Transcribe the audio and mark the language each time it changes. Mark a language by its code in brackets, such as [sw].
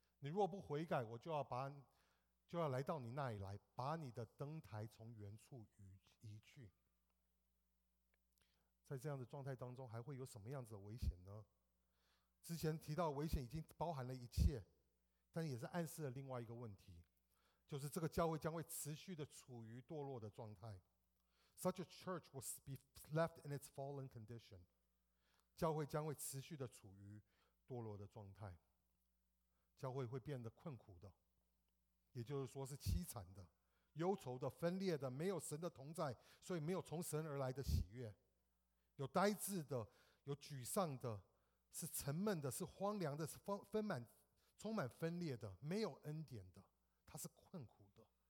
[zh] 你若不悔改，我就要来到你那里来，把你的灯台从原处移去。在这样的状态当中，还会有什么样子的危险呢？之前提到危险已经包含了一切，但也是暗示了另外一个问题，就是这个教会将会持续的处于堕落的状态。 [en] Such a church will be left in its fallen condition. [zh] 教会将会持续的处于堕落的状态，教会会变得困苦的，也就是说是凄惨的、忧愁的、分裂的，没有神的同在，所以没有从神而来的喜悦，有呆滞的，有沮丧的，是沉闷的，是荒凉的，是充满分裂的，没有恩典的，他是困苦的。